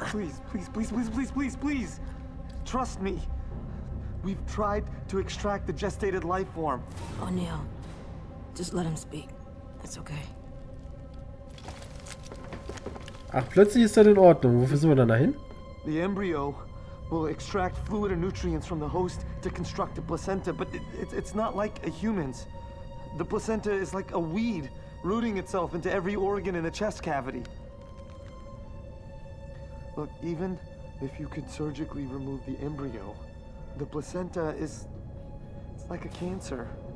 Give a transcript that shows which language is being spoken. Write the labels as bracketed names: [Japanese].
[English] Please, please, please, please, please, please, please. Trust me. We've tried to extract the gestated life form. O'Neill, just let him speak. It's okay. [German] Ach, plötzlich ist das in Ordnung. Wofür sind wir dann dahin? [English] The embryo will extract fluid and nutrients from the host to construct a placenta, but it's not like a human's. The placenta is like a weed rooting itself into every organ in the chest cavity. Look, even if you could surgically remove the embryo, the placenta is, it's like a cancer.